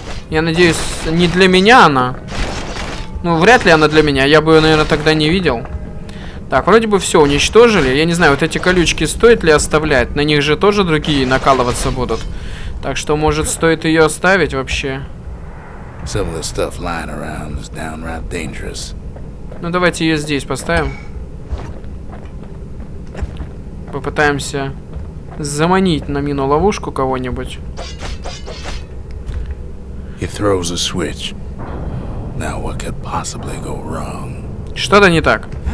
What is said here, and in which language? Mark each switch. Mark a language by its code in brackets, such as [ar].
[ru] Я надеюсь, не для меня она. Ну, вряд ли она для меня. Я бы ее, наверное, тогда не видел. Так, вроде бы все уничтожили. Я не знаю, вот эти колючки стоит ли оставлять. На них же тоже другие накалываться будут. Так что, может, стоит ее оставить вообще? [en] Some of the stuff lying around is downright dangerous. [ru] Ну, давайте ее здесь поставим. Попытаемся заманить на мину ловушку кого-нибудь. He throws a switch. [en] Now what could possibly go wrong? Что-то не так.